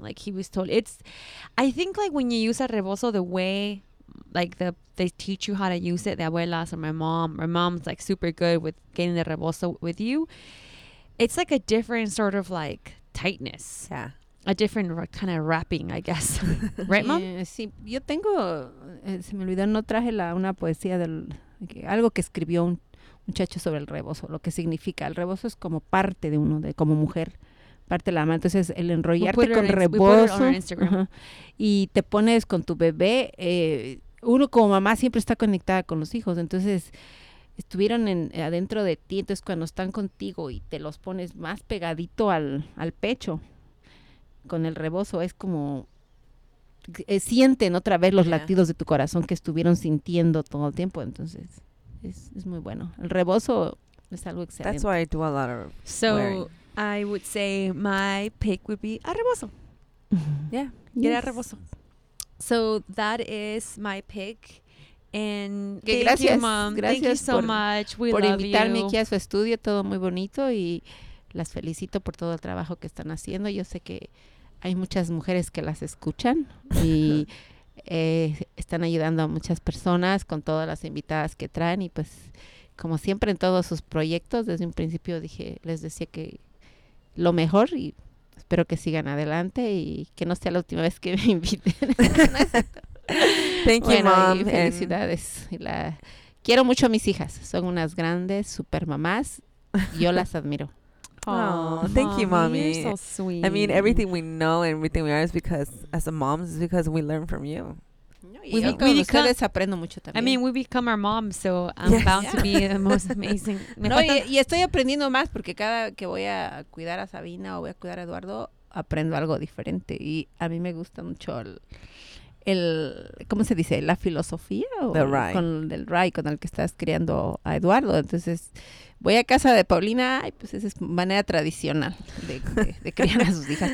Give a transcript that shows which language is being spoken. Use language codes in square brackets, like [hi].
[en] Like he was told, it's, I think like when you use a rebozo the way like they teach you how to use it, the abuelas or my mom's like super good with getting the rebozo with you, it's like a different sort of like tightness, yeah, a different kind of wrapping, I guess. Right, mom? [es] Sí, yo tengo, se me olvidó, no traje una poesía del algo que escribió un muchacho sobre el rebozo, lo que significa el rebozo es como parte de uno, de como mujer, parte de la mano. Entonces el enrollarte con rebozo y te pones con tu bebé, uno como mamá siempre está conectada con los hijos, entonces estuvieron adentro de ti, entonces cuando están contigo y te los pones más pegadito al pecho con el rebozo, es como sienten otra vez los latidos de tu corazón que estuvieron sintiendo todo el tiempo, entonces es muy bueno el rebozo, es algo excelente. [en] That's why I do a lot of I would say my pick would be a rebozo. Yeah. Yes. Get a rebozo. So that is my pick. And [es] gracias, [en] thank you, mom. [es] Gracias, [en] thank you so much. We love you. [es] Por invitarme aquí a su estudio. Todo muy bonito. Y las felicito por todo el trabajo que están haciendo. Yo sé que hay muchas mujeres que las escuchan. Y están ayudando a muchas personas con todas las invitadas que traen. Y pues, como siempre en todos sus proyectos, desde un principio les decía que lo mejor, y espero que sigan adelante y que no sea la última vez que me inviten. [en] Thank you, mom. [es] Y felicidades. Quiero mucho a mis hijas. Son unas grandes, super mamás. Yo las admiro. [en] Oh, thank you, mommy. You're so sweet. I mean, everything we know and everything we are is because, as a mom, is because we learn from you. We become our mom, so I'm bound to be the most amazing. [es] No, y estoy aprendiendo más porque cada que voy a cuidar a Sabina o voy a cuidar a Eduardo, aprendo algo diferente. Y a mí me gusta mucho el ¿cómo se dice? La filosofía. Del Rai, con el que estás criando a Eduardo. Entonces, voy a casa de Paulina y pues esa es manera tradicional de criar a sus hijas.